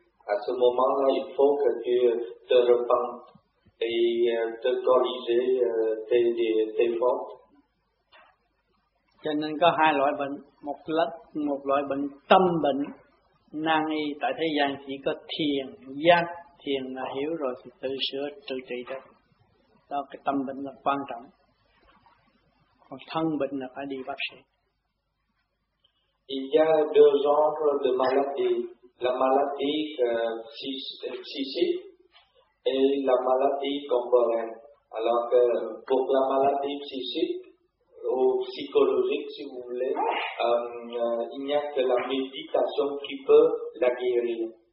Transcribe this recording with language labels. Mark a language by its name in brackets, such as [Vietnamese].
[French] À ce moment-là, il faut que tu te repentes et te corriger tes fautes. [Vietnamese] Cho nên có hai loại bệnh, một loại bệnh tâm bệnh, nan y tại thế gian chỉ có thiền, giác, thiền là hiểu rồi thì tự sửa, tự trị được. Đó, cái tâm bệnh là quan trọng. Còn thân bệnh là phải đi bác sĩ. [French] Il y a deux genres de maladies, la maladie psychique et la maladie temporaire. Alors que pour la maladie psychique, ou psychologique, si vous voulez, il n'y a que la méditation qui peut la guérir.